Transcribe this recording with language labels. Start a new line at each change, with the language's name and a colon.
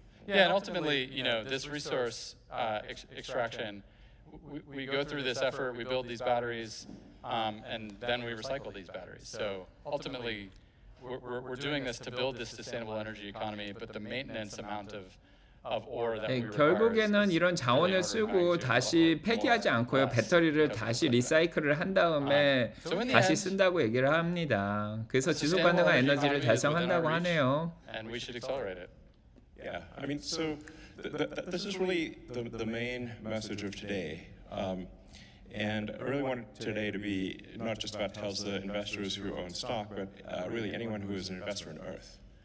English: Yeah, and ultimately, you know, this resource extraction, we go through this effort, we build these batteries, and then we recycle these batteries. So ultimately, we're doing this to build this sustainable energy economy, but the maintenance amount of
Korean: 네, 결국에는 이런 자원을 쓰고 다시 폐기하지 않고요. 배터리를 다시 리사이클을 한 다음에 다시 쓴다고 얘기를 합니다. 그래서 지속 가능한 에너지를 달성한다고 하네요.
English: And we should accelerate it. Yeah. I mean so this is really the main message of today. And I really want today to be not just about TSLA investors who own stock but really anyone who is an investor in Earth.